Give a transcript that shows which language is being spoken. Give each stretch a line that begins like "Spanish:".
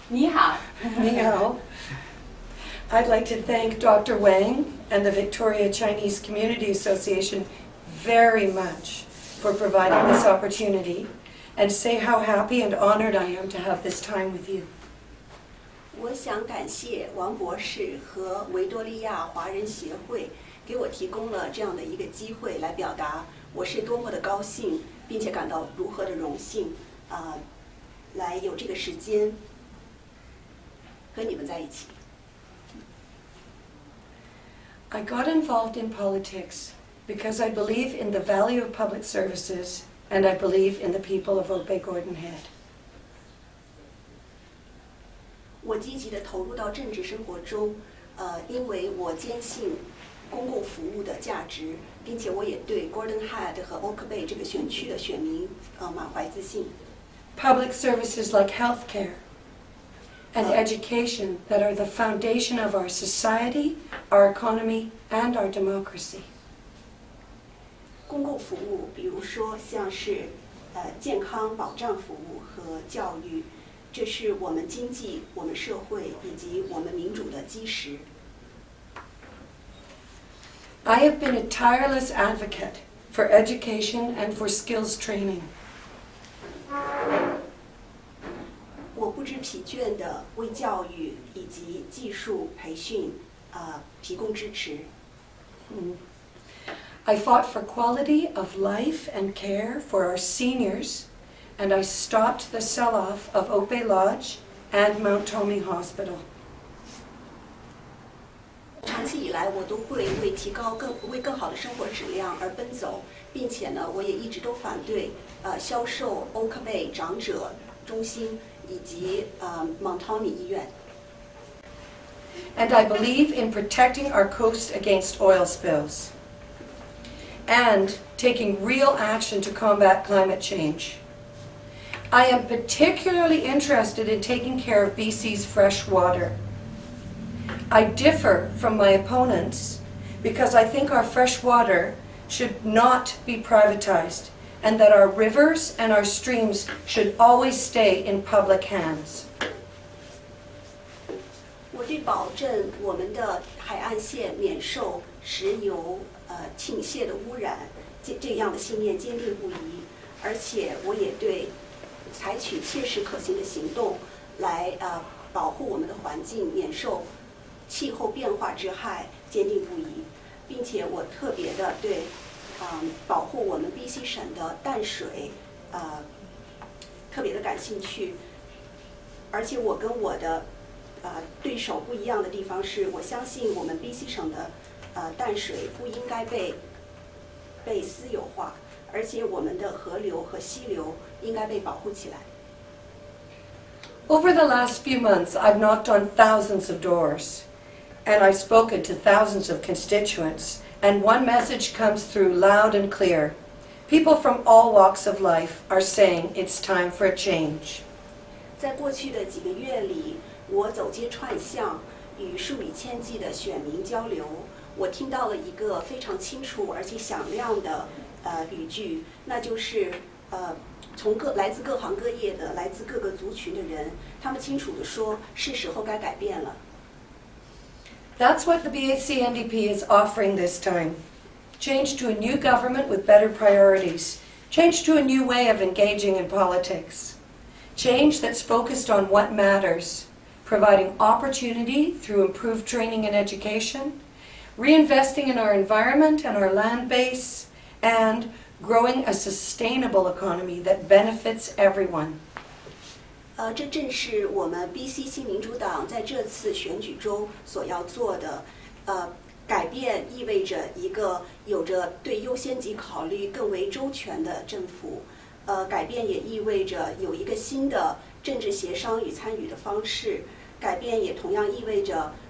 Chinese: 你好。你好。
English: I'd like to thank Dr. Wang and the Victoria Chinese Community Association very much for providing this opportunity and say how happy and honored I am to have this time with you.
Chinese: 我想感谢王博士和维多利亚华人协会给我提供了这样的一个机会来表达我是多么的高兴并且感到如何的荣幸来有这个时间和你们在一起。
English: I got involved in politics because I believe in the value of public services and I believe in the people of Oak Bay Golden Head.
Chinese: 我积极地投入到政治生活中，因为我坚信公共服务的价值，并且我也对 Golden Head 和 Oak Bay 这个选区的选民，满怀自信。
English: Public services like healthcare. And education that are the foundation of our society, our economy, and our democracy.
Chinese: 公共服务，比如说像是，健康保障服务和教育，这是我们经济、我们社会以及我们民主的基石。
English: I have been a tireless advocate for education and for skills training.
Chinese: 我不知疲倦地为教育以及技术培训，提供支持。
English: I fought for quality of life and care for our seniors, and I stopped the sell-off of Oak Bay Lodge and Mount Tomi Hospital.
Chinese: 长期以来，我都会为提高更为更好的生活质量而奔走，并且呢，我也一直都反对，销售 Oak Bay 长者中心。以及Mount Tomi 医院。
English: And I believe in protecting our coast against oil spills and taking real action to combat climate change. I am particularly interested in taking care of BC's fresh water. I differ from my opponents because I think our fresh water should not be privatized. And that our rivers and our streams should always stay in public hands.
Chinese: 我对保证我们的海岸线免受石油倾泻的污染这样的信念坚定不移，而且我也对采取切实可行的行动来保护我们的环境免受气候变化之害坚定不移，并且我特别的对。保护我们 BC 省的淡水，特别的感兴趣。而且我跟我的对手不一样的地方是，我相信我们 BC 省的淡水不应该被私有化，而且我们的河流和溪流应该被保护起来。
English: Over the last few months, I've knocked on thousands of doors, and I've spoken to thousands of constituents. And one message comes through loud and clear. People from all walks of life are saying it's time for a change.
Chinese: 在过去的几个月里，我走街串巷，与数以千计的选民交流，我听到了一个非常清楚而且响亮的语句，那就是从来自各行各业的，来自各个族群的人，他们清楚地说，是时候该改变了。
English: That's what the BAC NDP is offering this time. Change to a new government with better priorities. Change to a new way of engaging in politics. Change that's focused on what matters, providing opportunity through improved training and education, reinvesting in our environment and our land base, and growing a sustainable economy that benefits everyone.
Chinese: 这正是我们 BC 新民主党在这次选举中所要做的。改变意味着一个有着对优先级考虑更为周全的政府。改变也意味着有一个新的政治协商与参与的方式。改变也同样意味着